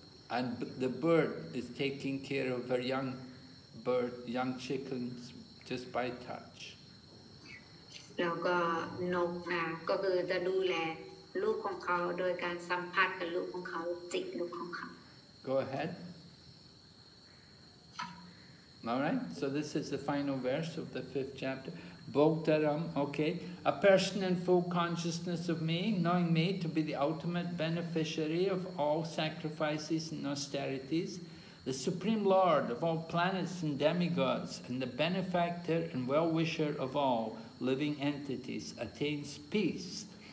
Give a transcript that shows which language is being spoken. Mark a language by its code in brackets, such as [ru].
[en] And the bird is taking care of her young bird, young chickens, just by touch. [th] แล้วก็นกนะก็คือจะดูแลลูกของเขาโดยการสัมผัสกับลูกของเขาจิกลูกของเขา [en] Go ahead. All right. So this is the final verse of the fifth chapter. Bhogdaram. Okay. A person in full consciousness of me, knowing me to be the ultimate beneficiary of all sacrifices and austerities, the supreme lord of all planets and demigods, and the benefactor and well-wisher of all living entities, attains peace.